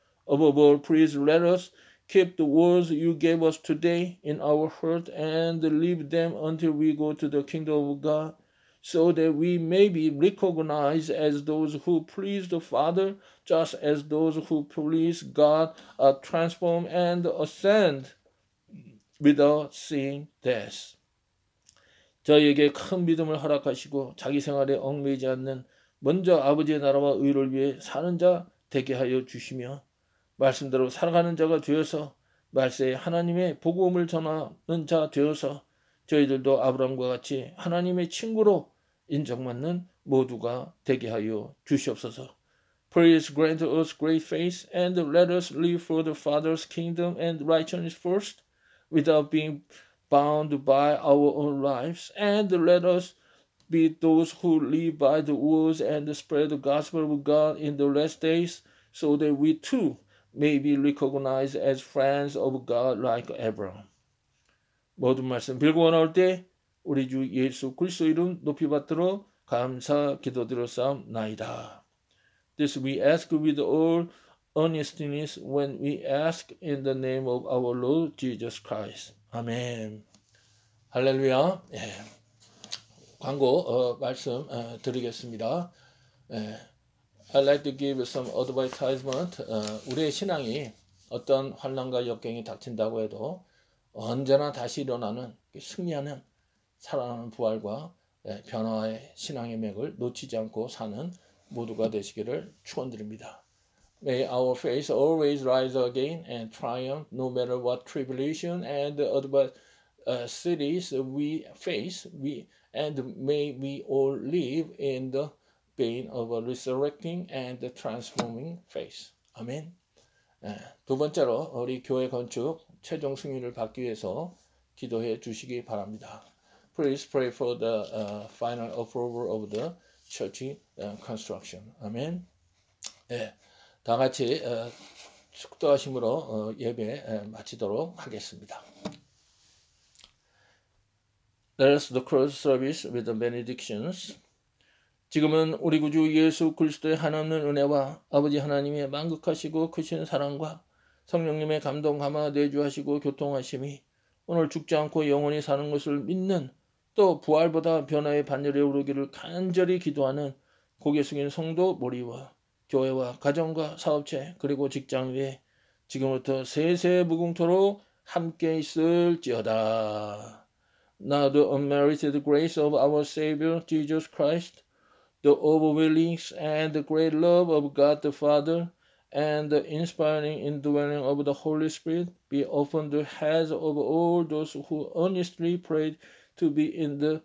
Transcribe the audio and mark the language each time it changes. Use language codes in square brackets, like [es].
[en] Above all, please let us keep the words you gave us today in our heart and leave them until we go to the kingdom of God. So that we may be recognized as those who please the Father, just as those who please God are transformed and ascend without seeing death. [ko] 저희에게 큰 믿음을 허락하시고 자기 생활에 얽매이지 않는 먼저 아버지의 나라와 의를 위해 사는 자 되게 하여 주시며 말씀대로 살아가는 자가 되어서 말세에 하나님의 복음을 전하는 자 되어서 저희들도 아브라함과 같이 하나님의 친구로 인정받는 모두가 되게 하여 주시옵소서. [en] Please grant us great faith and let us live for the Father's kingdom and righteousness first without being bound by our own lives, and let us be those who live by the words and spread the gospel of God in the last days so that we too may be recognized as friends of God like Abraham. [ko] 모든 말씀 빌고 나올 때 우리 주 예수 그리스도 이름 높이 받들어 감사 기도드렸사옵나이다. [en] This we ask with all earnestness when we ask in the name of our Lord Jesus Christ. Amen. 할렐루야. 예. [ko] 광고 말씀 드리겠습니다. 예. [en] I'd like to give some advertisement. [ko] 우리의 신앙이 어떤 환난과 역경이 닥친다고 해도 언제나 다시 일어나는 승리하는 살아나는 부활과 변화의 신앙의 맥을 놓치지 않고 사는 모두가 되시기를 축원드립니다. [en] May our faith always rise again and triumph no matter what tribulation and adversities we face. And may we all live in the pain of a resurrecting and transforming faith. Amen. [ko] 두 번째로 우리 교회 건축 최종 승리를 받기 위해서 기도해 주시기 바랍니다. [en] Please pray for the final approval of the church construction. Amen. [ko] 예, 다 같이 축도하심으로 예배 마치도록 하겠습니다. [en] Let us close service with the benedictions. [ko] 지금은 우리 구주 예수 그리스도의 하나님의 은혜와 아버지 하나님의 만극하시고 크신 사랑과 성령님의 감동 감화 내주하시고 교통하심이 오늘 죽지 않고 영원히 사는 것을 믿는 또 부활보다 변화의 반열에 오르기를 간절히 기도하는 고개 숙인 성도 머리와 교회와 가정과 사업체 그리고 직장 위에 지금부터 세세무궁토록 함께 있을지어다. [en] Now the unmerited grace of our Savior Jesus Christ, the overwhelming and the great love of God the Father, and the inspiring indwelling of the Holy Spirit be upon the heads of all those who earnestly prayed to be in